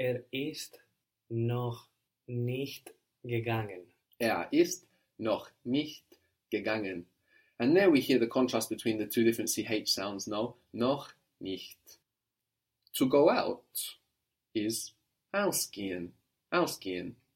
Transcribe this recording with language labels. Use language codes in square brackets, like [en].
[de] Ist noch nicht gegangen. Ist noch nicht gegangen. [en] And there we hear the contrast between the two different CH sounds, no? [de] Noch nicht. [en] To go out is ausgehen, ausgehen,